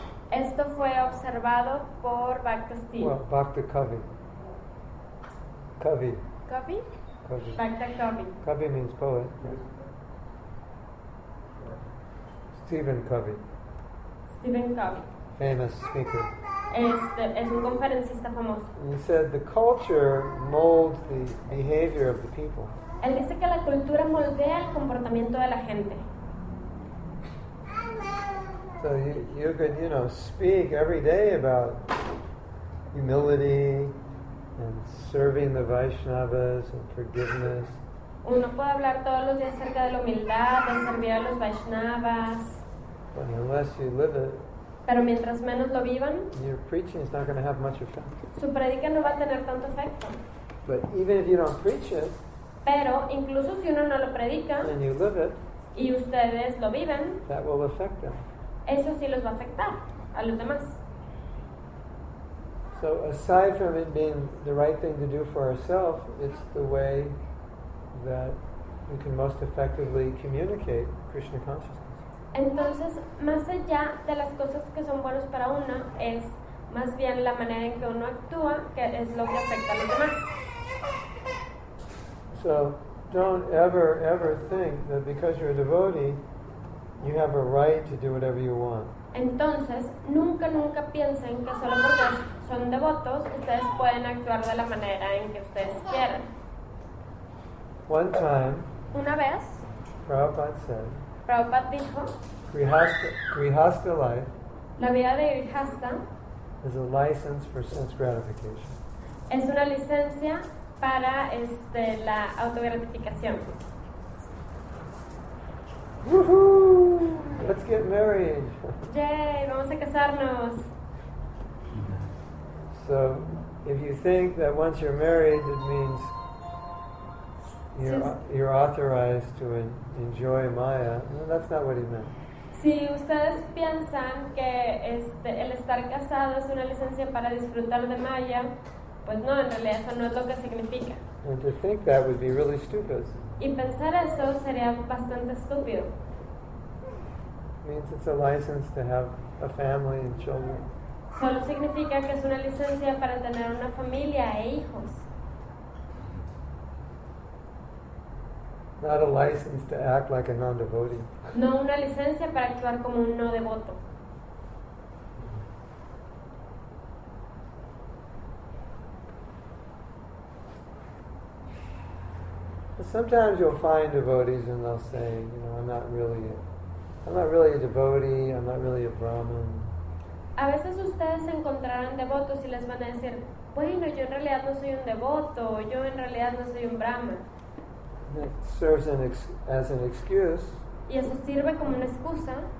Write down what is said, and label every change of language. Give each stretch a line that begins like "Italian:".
Spanish: Esto fue observado por Bhakti Steve.
English: Well, Bhakti Kavi. Kavi. Kavi? Kavi. Bhakti Kavi. Kavi means poet. Stephen Covey. Stephen Covey. Famous speaker.
Spanish: Es un conferencista famoso.
English: He said the culture molds the behavior of the people.
Spanish: Él dice que la cultura moldea el comportamiento de la gente.
English: So you could, you know, speak every day about humility and serving the Vaishnavas and forgiveness.
Spanish: Uno puede hablar todos los días acerca de la humildad, de servir a los Vaishnavas.
English: But unless you live it,
Spanish: pero mientras menos lo vivan,
English: your preaching is not going to have much effect.
Spanish: Su predica no va a tener tanto efecto.
English: But even if you don't preach it,
Spanish: pero incluso si uno no lo predica,
English: and you live it,
Spanish: y ustedes lo viven,
English: that will affect them.
Spanish: Eso sí los va a afectar a los demás.
English: So aside from it being the right thing to do for ourselves, it's the way that we can most effectively communicate Krishna consciousness.
Spanish: Entonces, más allá de las cosas que son buenas para uno, es más bien la manera en que uno actúa que es lo que afecta a los demás.
English: So, don't ever, ever think that because you're a devotee, you have a right to do whatever you want.
Spanish: Entonces, nunca, nunca piensen que solo porque son devotos, ustedes pueden actuar de la manera en que ustedes quieran.
English: One time,
Spanish: una vez,
English: Prabhupada said,
Spanish: Prabhupada dijo,
English: Grihastha life,
Spanish: la vida de Grihastha,
English: is a license for sense gratification.
Spanish: Es una licencia para la autogratificación.
English: Woohoo! Let's get married.
Spanish: Yay, vamos a casarnos.
English: So, if you think that once you're married, it means you're authorized to enjoy Maya. No, that's not what he meant.
Spanish: Si ustedes piensan que el estar casado es una licencia para disfrutar de Maya, pues no, en realidad eso no es lo que significa.
English: And to think that would be really stupid.
Spanish: Y pensar eso sería bastante estúpido.
English: Means it's a license to have a family and children.
Spanish: Solo significa que es una licencia para tener una familia e hijos.
English: Not a license to act like a non-devotee.
Spanish: No una licencia para actuar como un no devoto.
English: Sometimes you'll find devotees and they'll say, you know, I'm not really a devotee, I'm not really a Brahmin.
Spanish: A veces ustedes encontrarán devotos y les van a decir, bueno, yo en realidad no soy un devoto, yo en realidad no soy un Brahmin.
English: It serves as an excuse.
Spanish: Y eso sirve como una excusa.